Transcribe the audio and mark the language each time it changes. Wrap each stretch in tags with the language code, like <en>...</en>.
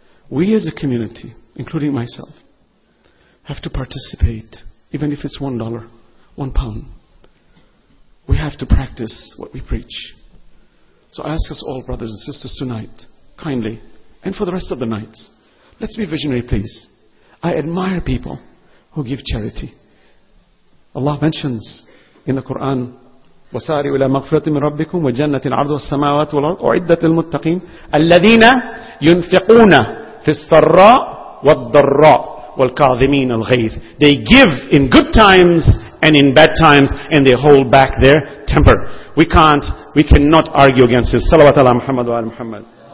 <en>We as a community, including myself, have to participate, even if it's $1, £1. We have to practice what we preach. So I ask us all, brothers and sisters, tonight, kindly, and for the rest of the nights, let's be visionary, please. I admire people who give charity. Allah mentions in the Quran,</en> <ar>وَسَارِوا إِلَى مَغْفِرَةٍ مِّن رَبِّكُمْ وَجَنَّةٍ عَرْضُهَا السَّمَاوَاتُ وَالْأَرْضُ أُعِدَّتْ لِلْمُتَّقِينَ الَّذِينَ يُنْفِقُونَ فِي السَّرَّاءِ وَالضَّرَّاءِ وَالْكَاظِمِينَ الْغَيْظِ.</ar> <en>They give in good times and in bad times, and they hold back their temper. We cannot argue against this.</en> <ar>Salawat ala Muhammad wa ala Muhammad.</ar>